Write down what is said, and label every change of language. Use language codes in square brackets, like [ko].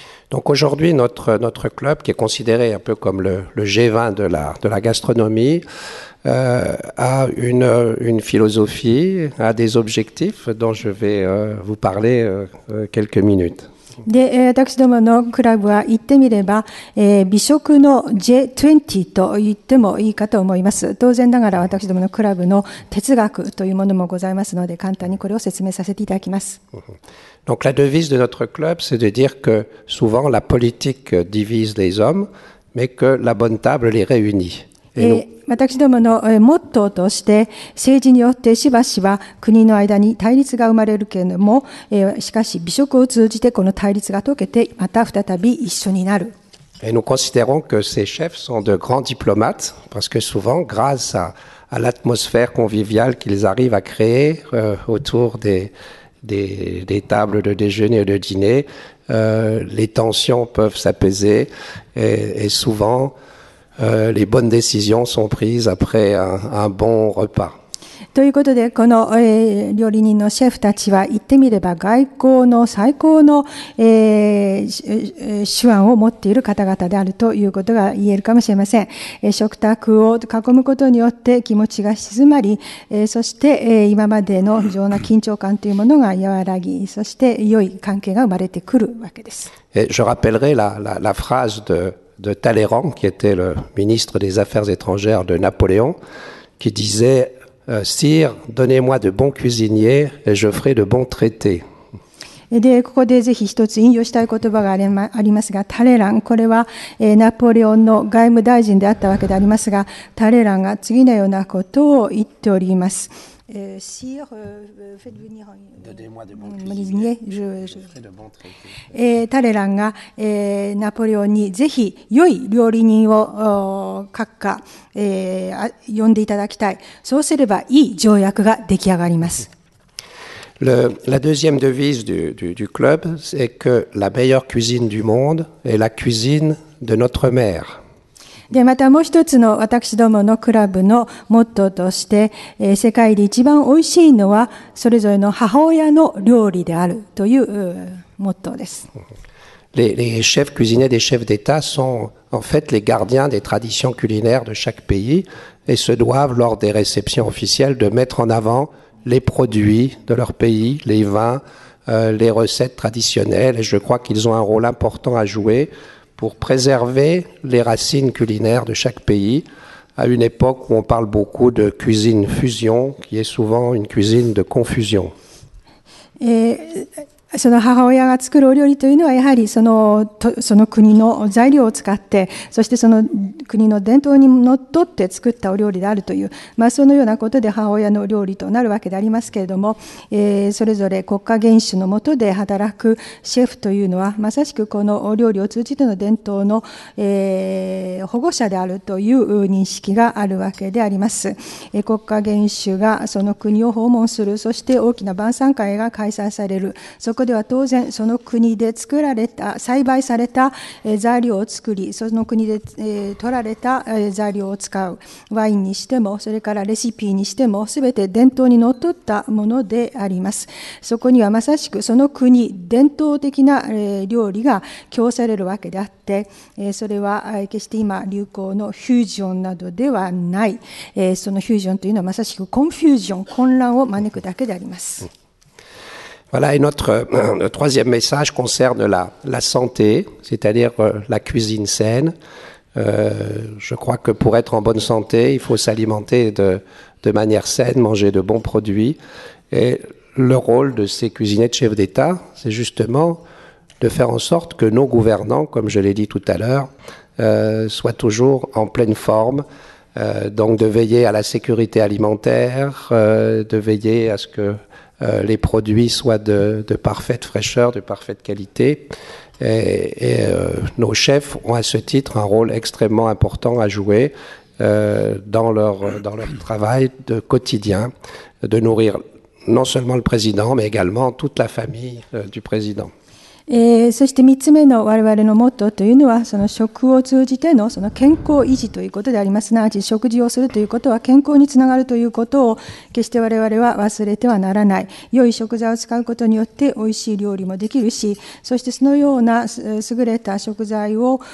[fr] Donc aujourd'hui notre club qui est considéré un peu comme le G20 de la gastronomie a une philosophie, a des objectifs dont je vais vous parler quelques minutes. [ja] で、私どものクラブは言ってみれば、美食の J20 と言ってもいいかと思います。当然ながら私どものクラブの哲学というものもございますので、簡単にこれを説明させていただきます。 [fr] Donc la devise de notre club, c'est de dire que souvent la politique divise les hommes, mais que la bonne table les réunit. [ja] 私どものモットーとして政治によってしばしば国の間に対立が生まれるけれどもしかし美食を通じてこの対立が解けてまた再び一緒になる。 [fr] Et nous considérons que ces chefs sont de grands diplomates parce que souvent grâce à l'atmosphère conviviale qu'ils arrivent à créer autour des tables de déjeuner et de dîner, les tensions peuvent s'apaiser et souvent les bonnes décisions sont prises après un bon repas. [ja] ということで、この料理人のシェフたちは言ってみれば外交の最高の手腕を持っている方々であるということが言えるかもしれません。食卓を囲むことによって気持ちが静まり、そして今までの非常な緊張感というものが和らぎ、そして良い関係が生まれてくるわけです。 [fr] Je rappellerai la phrase de Talleyrand, qui était le ministre des Affaires étrangères de Napoléon, qui disait « Sire, donnez-moi de bons cuisiniers et je ferai de bons traités ». [ja] でここでぜひ一つ引用したい言葉がありますが、タレラン、これはナポレオンの外務大臣であったわけでありますが、タレランが次のようなことを言っております。 [fr] Sire, faites venir. Donnez-moi de bons cuisiniers. Je ferai de bons traités. [ja] タレランが、ナポレオンにぜひ良い料理人を閣下、呼んでいただきたい。そうすれば良い条約が出来上がります。 [fr] La deuxième devise du club, c'est que la meilleure cuisine du monde est la cuisine de notre mère. [ja] でまたもう一つの私どものクラブのモットーとして、世界で一番おいしいのはそれぞれの母親の料理であるというモットーです。 [fr] Les chefs cuisiniers des chefs d'État sont en fait les gardiens des traditions culinaires de chaque pays et se doivent lors des réceptions officielles de mettre en avant les produits de leur pays, les vins, les recettes traditionnelles. Et je crois qu'ils ont un rôle important à jouer. Pour préserver les racines culinaires de chaque pays, à une époque où on parle beaucoup de cuisine fusion, qui est souvent une cuisine de confusion. [ja] その母親が作るお料理というのはやはりその国の材料を使ってそしてその国の伝統にのっとって作ったお料理であるという、まあ、そのようなことで母親の料理となるわけでありますけれども、それぞれ国家元首の下で働くシェフというのはまさしくこのお料理を通じての伝統の、保護者であるという認識があるわけであります、国家元首がその国を訪問するそして大きな晩餐会が開催されるそこでは当然その国で作られた栽培された材料を作りその国で取られた材料を使うワインにしてもそれからレシピにしてもすべて伝統にのっとったものでありますそこにはまさしくその国伝統的な料理が供されるわけであってそれは決して今流行のフュージョンなどではないそのフュージョンというのはまさしくコンフュージョン混乱を招くだけであります [fr] Voilà, et notre troisième message concerne la santé, c'est-à-dire la cuisine saine. Je crois que pour être en bonne santé, il faut s'alimenter de manière saine, manger de bons produits. Et le rôle de ces cuisiniers de chefs d'État, c'est justement de faire en sorte que nos gouvernants, comme je l'ai dit tout à l'heure, soient toujours en pleine forme, donc de veiller à la sécurité alimentaire, de veiller à ce que... les produits soient de parfaite fraîcheur, de parfaite qualité. Et nos chefs ont à ce titre un rôle extrêmement important à jouer dans leur travail de quotidien, de nourrir non seulement le président, mais également toute la famille du président. [ja] そして3つ目の我々のモットーというのはその食を通じて その健康維持ということでありますなわち食事をするということは健康につながるということを決して我々は忘れてはならない良い食材を使うことによっておいしい料理もできるしそしてそのような優れた食材を